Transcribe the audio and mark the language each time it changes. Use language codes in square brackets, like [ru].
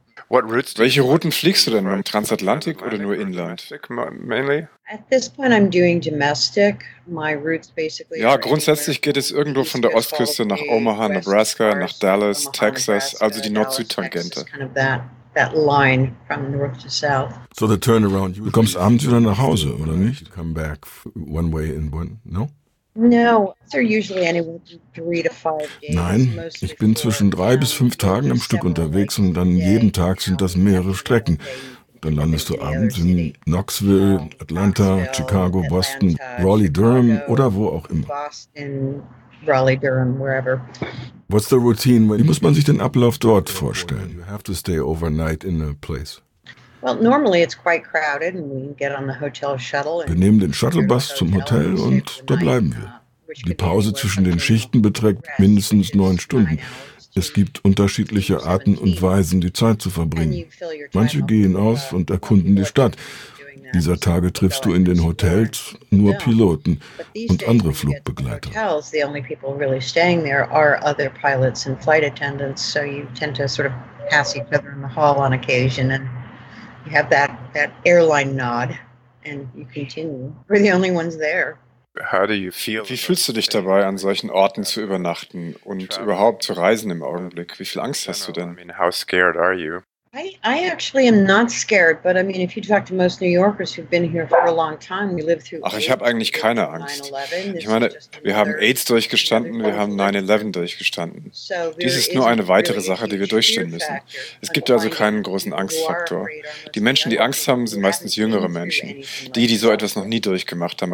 [en] What routes? [de] Welche Routen fliegst du denn? Im Transatlantik oder nur Inland? [en] At this point I'm doing domestic. My routes basically. [de] Ja, grundsätzlich geht es irgendwo von der Ostküste nach Omaha, Nebraska, nach Dallas, Texas, also die Nord-Süd-Tangente. [en] That line from north to south. So the turnaround. [de] Du kommst abends wieder nach Hause, oder nicht? [en] Come back one way in one. No. No, they're usually anywhere from 3 to 5 days. [de] Nein, ich bin zwischen 3 bis 5 Tagen am Stück unterwegs und dann jeden Tag sind das mehrere Strecken. Dann landest du abends in Knoxville, Atlanta, Chicago, Boston, Raleigh, Durham oder wo auch immer. [en] Boston, Raleigh, Durham, wherever. What's the routine? [de] Wie muss man sich den Ablauf dort vorstellen? [en] You have to stay overnight in a place. Well, normally it's quite crowded and we get on the hotel shuttle. [de] Wir nehmen den Shuttlebus zum Hotel und da bleiben wir. Die Pause zwischen den Schichten beträgt mindestens 9 Stunden. Es gibt unterschiedliche Arten und Weisen, die Zeit zu verbringen. Manche gehen aus und erkunden die Stadt. Dieser Tage triffst du in den Hotels nur Piloten und andere Flugbegleiter. [en] The only people really staying there are other pilots and flight attendants, so you tend to sort of pass each other in the hall on occasion and you have that airline nod and you continue. We're the only ones there. How do you feel? [de] Wie fühlst du dich dabei, an solchen Orten zu übernachten und überhaupt zu reisen im Augenblick? Wie viel Angst hast du denn? [en] I mean, how scared are you? I actually am not scared, but I mean, if you talk to most New Yorkers who've been here for a long time, we live through. [de] Ach, ich habe eigentlich keine Angst. Ich meine, wir haben AIDS durchgestanden, wir haben 9/11 durchgestanden. Dies ist nur eine weitere Sache, die wir durchstehen müssen. Es gibt also keinen großen Angstfaktor. Die Menschen, die Angst haben, sind meistens jüngere Menschen, die so etwas noch nie durchgemacht haben.